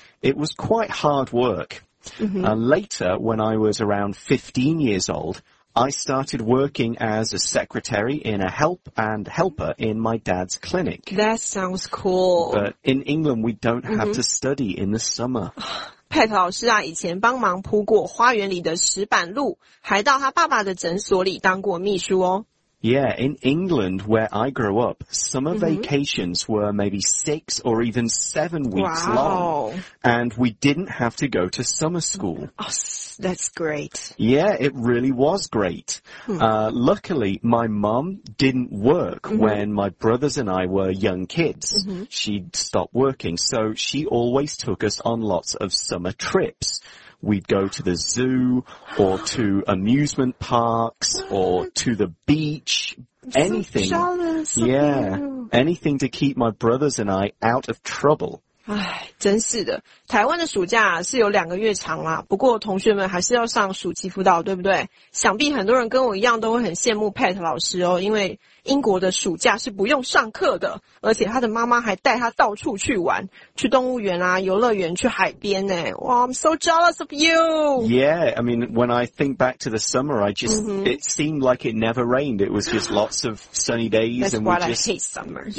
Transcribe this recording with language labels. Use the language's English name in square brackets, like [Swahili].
[English] It was quite hard work. Later, when I was around 15 years old, I started working as a secretary in a help and helper in my dad's clinic. That sounds cool. But in England, we don't have to study in the summer. [Chinese] Pat 老师啊，以前帮忙铺过花园里的石板路，还到他爸爸的诊所里当过秘书哦。 [English] Yeah, in England, where I grew up, summer vacations were maybe 6 or even 7 weeks long. And we didn't have to go to summer school. Oh, that's great. Yeah, it really was great. Luckily, my mum didn't work when my brothers and I were young kids. She'd stop working, so she always took us on lots of summer trips. We'd go to the zoo, or to amusement parks, or to the beach, anything. So jealous. Yeah, anything to keep my brothers and I out of trouble. [Chinese] 唉，真是的，台湾的暑假是有两个月长啦，不过同学们还是要上暑期辅导，对不对？想必很多人跟我一样都会很羡慕 Pat 老师哦，因为英国的暑假是不用上课的，而且他的妈妈还带他到处去玩，去动物园啊，游乐园，去海边耶。 [English] 哇 I'm so jealous of you. Yeah, I mean, when I think back to the summer, I just, it seemed like it never rained. It was just lots of sunny days. That's and why we just, I hate summers.